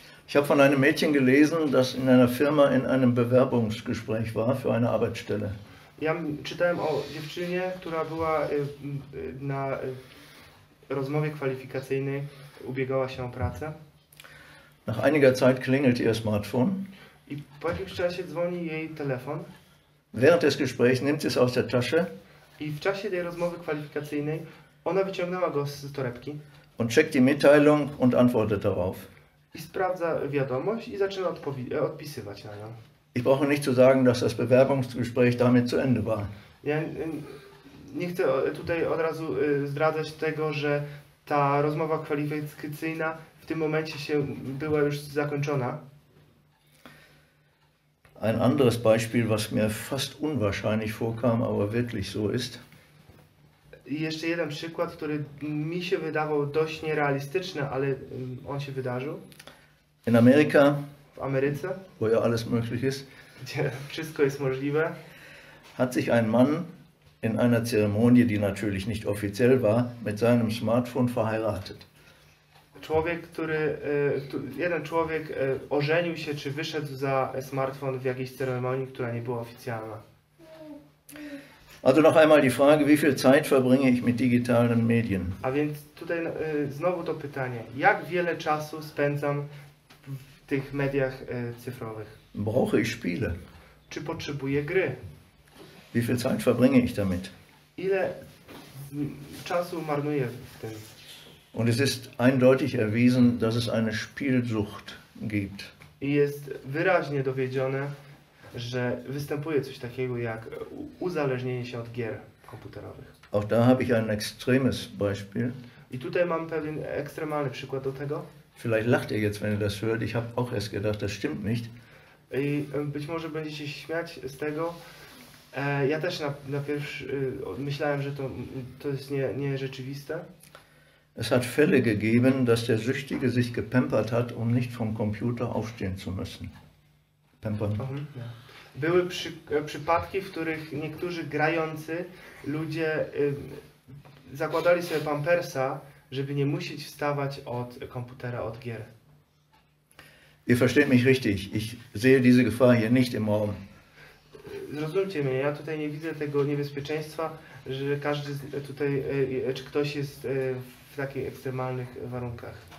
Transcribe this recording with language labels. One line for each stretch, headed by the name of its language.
German: Ich habe von einem Mädchen gelesen, das in einer Firma in einem Bewerbungsgespräch war für eine Arbeitsstelle.
Polish: Ja czytałem o dziewczynie, która była na rozmowie kwalifikacyjnej, ubiegała się o pracę.
German: Nach einiger Zeit klingelt ihr Smartphone.
Polish: I po jakimś czasie dzwoni jej telefon.
German: Während des Gesprächs nimmt sie es aus der Tasche.
Polish: I w czasie tej rozmowy kwalifikacyjnej ona wyciągnęła go z torebki.
German: Und checkt die Mitteilung und antwortet darauf.
Polish: I sprawdza wiadomość i zaczyna odpisywać na nią.
German: Ich brauche nicht zu sagen, dass das Bewerbungsgespräch damit zu Ende war.
Polish: Ja nie chcę tutaj od razu zdradzać tego, że ta rozmowa kwalifikacyjna w tym momencie się była już zakończona.
German: Ein anderes Beispiel, was mir fast unwahrscheinlich vorkam, aber wirklich so ist.
Polish: Jeszcze jeden przykład, który mi się wydawał dość nierealistyczny, ale on się wydarzył.
German: In Amerika.
Polish: W Ameryce.
German: Wo ja alles möglich ist.
Polish: Gdzie wszystko jest możliwe.
German: Hat sich ein Mann in einer Zeremonie, die natürlich nicht offiziell war, mit seinem Smartphone verheiratet.
Polish: Człowiek, który, jeden człowiek ożenił się, czy wyszedł za smartfon w jakiejś ceremonii, która nie była oficjalna.
German: Also noch einmal die Frage, wie viel Zeit verbringe ich mit digitalen Medien?
Polish: A więc tutaj znowu to pytanie, jak wiele czasu spędzam w tych mediach cyfrowych?
German: Brauche ich Spiele?
Polish: Czy potrzebuję gry?
German: Wie viel Zeit verbringe ich damit?
Polish: Ile czasu marnuję w tym?
German: Und es ist eindeutig erwiesen, dass es eine Spielsucht gibt.
Polish: I jest wyraźnie dowiedzione, że występuje coś takiego jak uzależnienie się od gier komputerowych.
German: Auch da habe ich ein extremes Beispiel.
Polish: I tutaj mam pewien ekstremalny przykład do tego.
German: Vielleicht lacht ihr jetzt, wenn ihr das hört. Ich habe auch erst gedacht, das stimmt nicht.
Polish: I być może będziecie śmiać z tego. Ja też na pierwszy myślałem, że to jest nierzeczywiste.
German: Es hat Fälle gegeben, dass der Süchtige sich gepampert hat, um nicht vom Computer aufstehen zu müssen. Pampern. Mhm, ja.
Polish: Były przypadki, w których niektórzy grający ludzie zakładali sobie pampersa, żeby nie musieć wstawać od komputera, od gier.
German: Ihr versteht mich richtig. Ich sehe diese Gefahr hier nicht im Raum.
Polish: Zrozumcie mnie, ja tutaj nie widzę tego niebezpieczeństwa, że każdy tutaj, czy ktoś jest w takich ekstremalnych warunkach.